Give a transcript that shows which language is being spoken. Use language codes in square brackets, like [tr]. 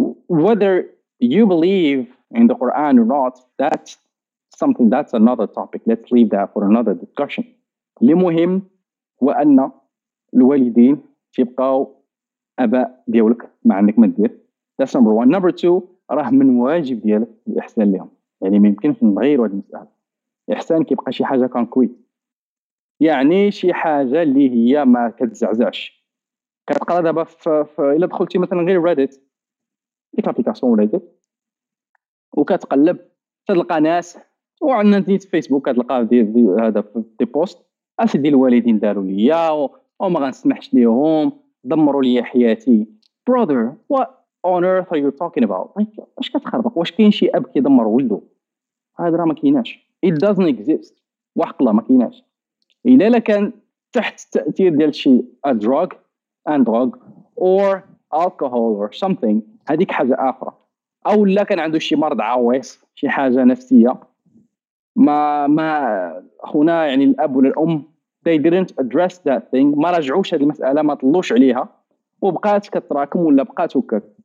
[en] whether you believe in the Quran or not, that's something, that's another topic, let's leave that for another discussion. [ar] المهم هو ان الوالدين تيبقاو اباء ديالك ما عندك ما دير, [en] that's number one. number two, [ar] راه من واجب ديالك الاحسان ليهم, يعني ما يمكنش نغير هذه المساله. الاحسان كيبقى شي حاجه كونكريت, يعني شي حاجه اللي هي ما كتزعزعش. كتقرا دابا في الا دخلتي مثلا غير ريديت ديك الابليكاسيون ريديت وكتقلب تلقى ناس, وعندنا نتيت فيسبوك كتلقى هذا في بوست اسيدي الوالدين داروا ليا أو ما غنسمحش ليهم, دمروا لي حياتي. [en] Brother, what on earth are you talking about? [ar] واش كتخربق؟ واش كاين شي أب كيدمر ولدو؟ هاد راه ما كيناش. [en] It doesn't exist. [ar] وحق الله ما كيناش. إلا كان تحت تأثير ديال شي [en] a drug and drug or alcohol or something, [ar] هذيك حاجة أخرى. أو لا كان عنده شي مرض عويص, شي حاجة نفسية, ما خونا يعني الأب والأم [en] they didn't address that thing, [ar] ما رجعوش هذه المساله, ما طلوش عليها وبقات كتراكم ولا بقات هكاك.